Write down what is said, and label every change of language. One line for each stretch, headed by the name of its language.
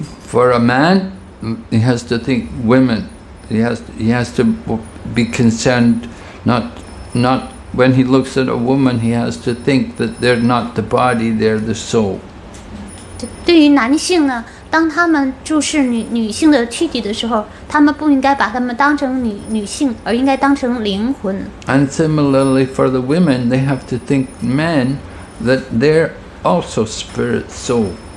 English: For a man, he has to think women. He has to be concerned, not when he looks at a woman, he has to think that they're not the body, they're the soul.
Chinese: 对于男性呢, 当他们注视女性的躯体的时候，他们不应该把他们当成女性， 而应该当成灵魂。
English: And similarly for the women, they have to think men that they're also spirit souls.